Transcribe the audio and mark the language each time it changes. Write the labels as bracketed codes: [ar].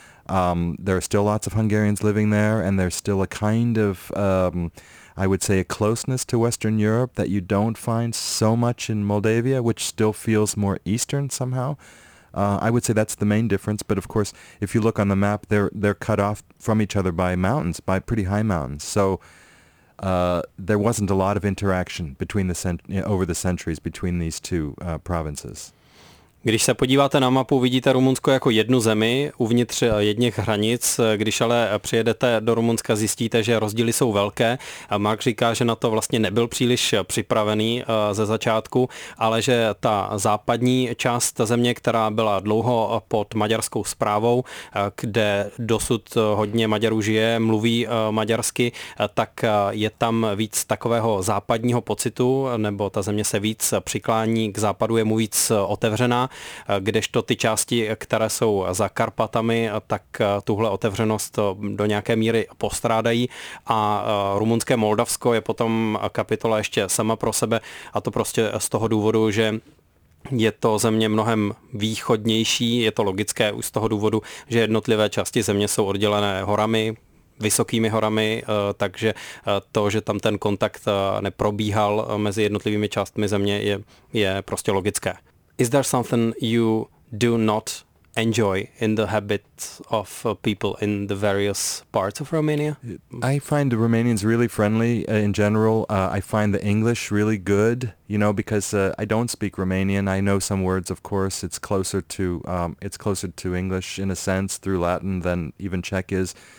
[en] There are still lots of Hungarians living there, and there's still a kind of, I would say, a closeness to Western Europe that you don't find so much in Moldavia, which still feels more Eastern somehow. I would say that's the main difference, but of course, if you look on the map, they're cut off from each other by mountains, by pretty high mountains, so there wasn't a lot of interaction over the centuries between these two provinces. [cs] Když se podíváte na mapu, vidíte Rumunsko jako jednu zemi uvnitř jedněch hranic. Když ale přijedete do Rumunska, zjistíte, že rozdíly jsou velké. Mark říká, že na to vlastně nebyl příliš připravený ze začátku, ale že ta západní část země, která byla dlouho pod maďarskou správou, kde dosud hodně Maďarů žije, mluví maďarsky, tak je tam víc takového západního pocitu, nebo ta země se víc přiklání k západu, je mu víc otevřená. Kdežto ty části, které jsou za Karpatami, tak tuhle otevřenost do nějaké míry postrádají. A rumunské Moldavsko je potom kapitola ještě sama pro sebe, a to prostě z toho důvodu, že je to země mnohem východnější, je to logické už z toho důvodu, že jednotlivé části země jsou oddělené horami, vysokými horami, takže to, že tam ten kontakt neprobíhal mezi jednotlivými částmi země, je prostě logické. [en] Is there something you do not enjoy in the habits of people in the various parts of Romania? I find the Romanians really friendly in general. I find the English really good, you know, because I don't speak Romanian. I know some words, of course. It's closer to English in a sense through Latin than even Czech is.